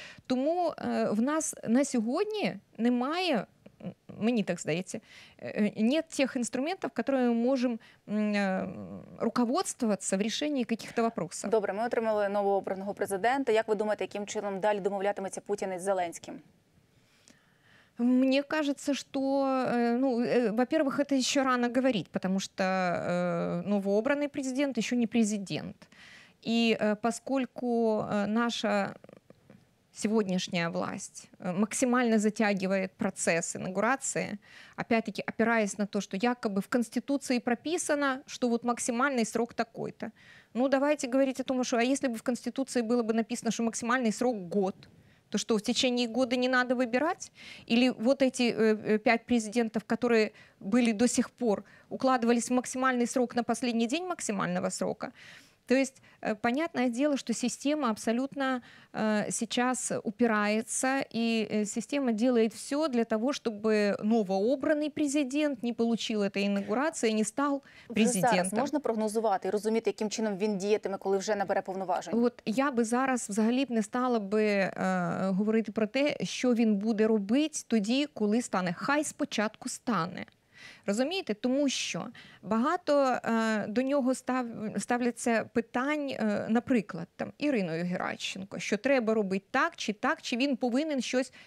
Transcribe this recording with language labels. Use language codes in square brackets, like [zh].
[uk] Тому в нас на сьогодні немає, мені так здається, [ru] нет тех инструментов, которыми мы можем руководствоваться в решении каких-то вопросов. [uk] Добре, ми отримали новообраного президента. Як ви думаєте, яким чином далі домовлятиметься Путін із Зеленським? [ru] Мне кажется, что, во-первых, это еще рано говорить, потому что новообранный президент еще не президент. И поскольку наша сегодняшняя власть максимально затягивает процесс инаугурации, опять-таки опираясь на то, что якобы в Конституции прописано, что вот максимальный срок такой-то. Ну, давайте говорить о том, что а если бы в Конституции было бы написано, что максимальный срок год, то что, в течение года не надо выбирать? Или вот эти пять президентов, которые были до сих пор, укладывались в максимальный срок на последний день максимального срока? То есть понятное дело, что система абсолютно сейчас упирается, и система делает все для того, чтобы новообраний президент не получил этой інаугурації, [uk] не став президентом. Зараз можна прогнозувати і розуміти, яким чином він діятиме, коли вже набере повноважень? От я би зараз взагалі б не стала би говорити про те, що він буде робити тоді, коли стане. Хай спочатку стане. Розумієте? Тому що багато до нього ставляться питань, наприклад, там Іриною Геращенко, що треба робити так чи так, чи він повинен щось.